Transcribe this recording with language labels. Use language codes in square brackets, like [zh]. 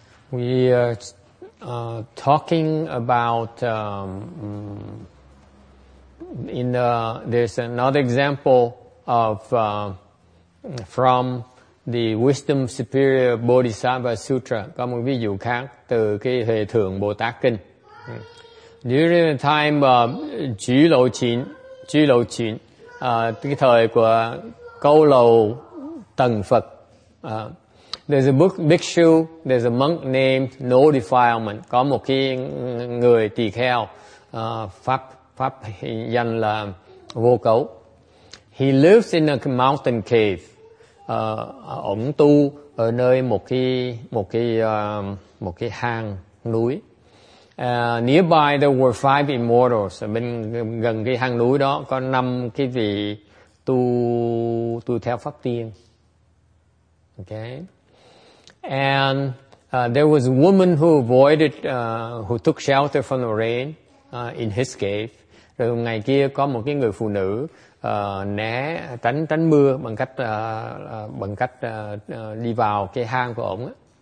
[en] We are talking about in the, there's another example of from the Wisdom Superior Bodhisattva Sutra. [vi] Có một ví dụ khác từ cái Huệ Thượng Bồ Tát Kinh. [en] During the time of Chư Lậu Chín, [vi] cái thời của Câu Lầu Tần Phật, [en] there's a bhikshu, there's a monk named No Defilement. [vi] Có một cái người tỳ kheo pháp danh là Vô Cấu. [en] He lives in a mountain cave. [vi] Ổng tu ở nơi một cái hang núi. [en] Nearby there were five immortals. [vi] Bên gần cái hang núi đó có năm cái vị tu theo pháp tiên. [en] Okay. And there was a woman who avoided who took shelter from the rain in his cave. [vi] Rồi ngày kia có một cái người phụ nữ né tránh mưa bằng cách đi vào cái hang của ổng.